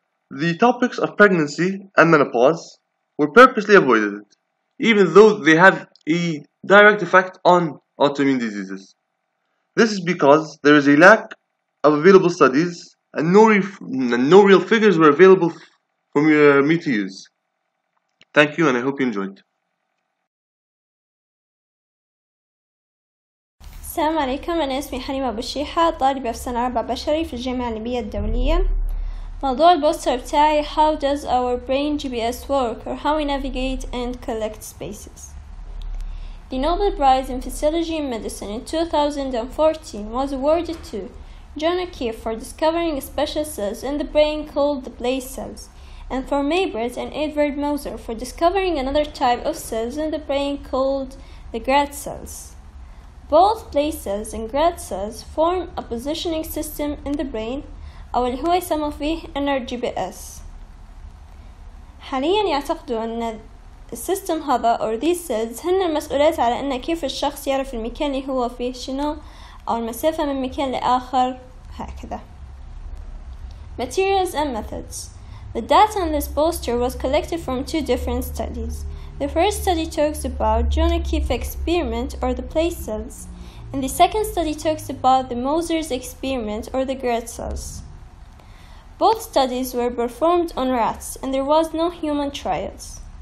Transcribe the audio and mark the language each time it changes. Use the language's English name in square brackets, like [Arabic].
[English] The topics of pregnancy and menopause were purposely avoided, even though they have a direct effect on autoimmune diseases. This is because there is a lack of available studies and no real figures were available for me to use. Thank you, and I hope you enjoyed. [Arabic] السلام عليكم، أنا اسمي حنيمة بشيحة، طالبة في سنة رابعة بشري في الجامعة الليبية الدولية. موضوع البوستر بتاعي [English] How does our brain GPS work or how we navigate and collect spaces. The Nobel Prize in Physiology and Medicine in 2014 was awarded to John O'Keefe for discovering special cells in the brain called the place cells, and for Maybrit and Edward Moser for discovering another type of cells in the brain called the Grad cells. Both place cells and Grad cells form a positioning system in the brain [Arabic] أو اللي هو يسمى فيه [English] inner GPS. [Arabic] حاليا يعتقدوا أن السيستم هذا [English] or these cells [Arabic] هن المسؤولات على أن كيف الشخص يعرف المكان اللي هو فيه شنو أو المسافة من مكان لآخر هكذا. [English] Materials and methods. The data on this poster was collected from two different studies. The first study talks about John O'Keefe experiment or the place cells, and the second study talks about the Moser's experiment or the Grad cells. Both studies were performed on rats, and there was no human trials.